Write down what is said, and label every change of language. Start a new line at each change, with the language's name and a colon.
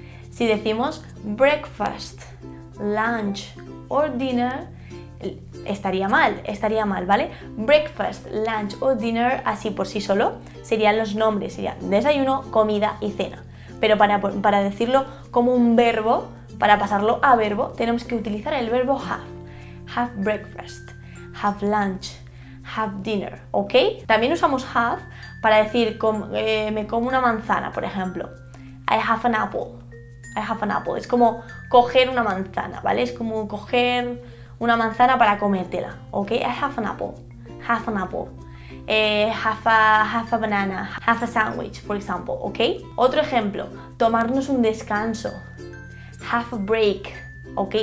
Spanish: Si decimos breakfast, lunch o dinner, estaría mal, ¿vale? Breakfast, lunch o dinner, así por sí solo, serían los nombres, serían desayuno, comida y cena. Pero para decirlo como un verbo, para pasarlo a verbo, tenemos que utilizar el verbo have.
English: Have breakfast, have lunch, have dinner, ¿ok?
Spanish: También usamos have para decir me como una manzana, por ejemplo.
English: I have an apple. I have an apple.
Spanish: Es como coger una manzana, ¿vale? Es como coger una manzana para comértela, ¿ok?
English: I have an apple. Have an apple. Have a banana. Have a sandwich, for example, ¿ok?
Spanish: Otro ejemplo, tomarnos un descanso.
English: Have a break,
Spanish: ¿ok?